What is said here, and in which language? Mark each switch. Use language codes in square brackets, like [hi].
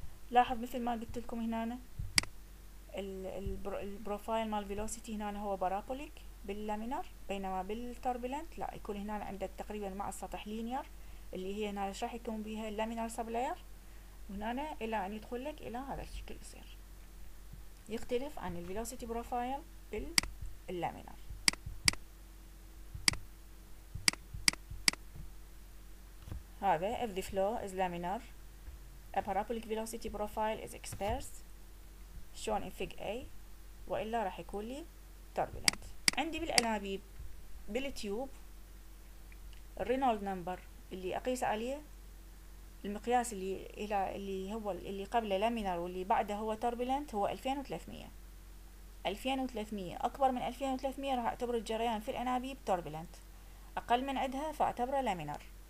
[ar] لاحظ مثل ما قلت لكم هنا البروفايل مال فيلوسيتي هنا هو بارابوليك باللامينر، بينما بالتوربيلنت لا، يكون هنا عندك تقريبا مع السطح لينير اللي هي هنا ايش راح يكون بها اللامينر سبلاير، وهنا الى ان يدخل لك الى هذا الشكل يصير يختلف عن الفيلوسيتي بروفايل باللامينر. [en] هذا if the flow is laminar a parabolic velocity profile is expressed shown in fig A [ar] وإلا راح يكون لي [en] turbulent. [ar] عندي بالأنابيب بالتيوب الرينولد نمبر اللي أقيس عليه المقياس اللي إلى اللي هو اللي قبله لامينار واللي بعده هو turbulent هو 2300. 2300 أكبر من 2300 راح أعتبر الجريان في الأنابيب turbulent، أقل من عدها فأعتبره لامينار.